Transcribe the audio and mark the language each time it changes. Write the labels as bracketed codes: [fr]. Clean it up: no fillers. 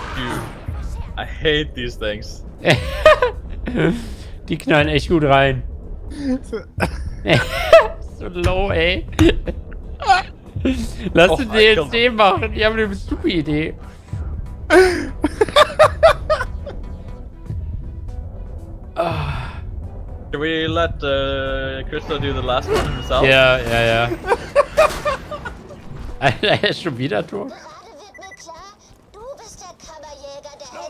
[en] Dude, I hate these things. [de] Die knallen echt gut rein. So low, ey. Lass den DLC machen, die haben eine super Idee. [en] Can we let Crystal do the last one himself? [de] Ja, ja, ja. Alter, er ist schon wieder tot. Gerade wird mir klar, du bist der Kammerjäger, der Elf.